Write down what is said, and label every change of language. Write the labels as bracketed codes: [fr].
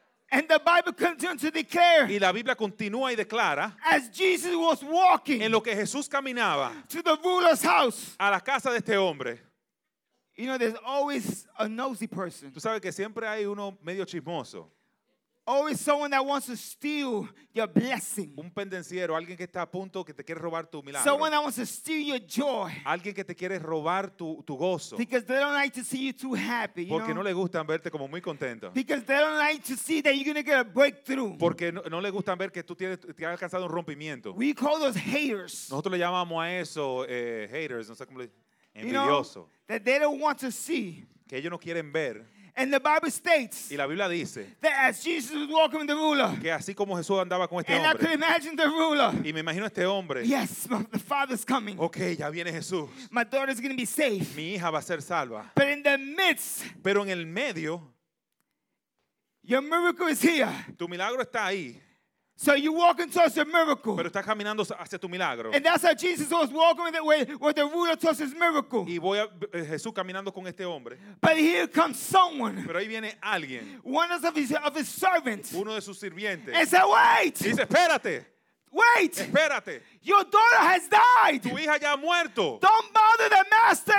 [en] And the Bible continues to declare, [es] y la Biblia continúa y declara, [en] as Jesus was walking, [es] en lo que Jesús caminaba, [en] to the ruler's house, [es] a la casa de este hombre. [en] You know, there's always a nosy person. [es] Tú sabes que siempre hay uno medio chismoso. [en] Always someone that wants to steal your blessing. [es] Un pendenciero, alguien que está a punto que te quiere robar tu milagro. [en] Someone that wants to steal your joy. [es] Alguien que te quiere robar tu gozo. [en] Because they don't like to see you too happy. You [es] porque [en] know? [es] No le gustan verte como muy contento. [en] Because they don't like to see that you're going to get a breakthrough. [es] Porque no le gustan ver que tú te has alcanzado un rompimiento. [en] We call those haters. [es] Nosotros le llamamos a eso haters, no sé cómo le envidioso. [en] You know, that they don't want to see. [es] Que ellos no quieren ver. [en] And the Bible states, [es] y la Biblia dice, [en] that as Jesus was walking with the ruler, [es] que así como Jesús andaba con este [en] and [es] hombre, [en] I could imagine the ruler, [es] y me imagino este hombre, [en] yes, the Father's coming. [es] Okay, ya viene Jesús. [en] My daughter's going to be safe. [es] Mi hija va a ser salva. [en] But in the midst, [es] pero en el medio, [en] your miracle is here. [es] Tu milagro está ahí. [en] So you walking towards your miracle. [es] Pero estás caminando hacia tu milagro. [en] And that's how Jesus was walking with the ruler towards his miracle. [es] Y voy a Jesús caminando con este hombre. [en] But here comes someone. [es] Pero ahí viene alguien. [en] One of his servants. [es] Uno de sus sirvientes. [en] And said, wait. [es] Y dice, espérate. [en] Wait. [es] Espérate. [en] Your daughter has died. [es] Tu hija ya ha muerto. [en] Don't bother the master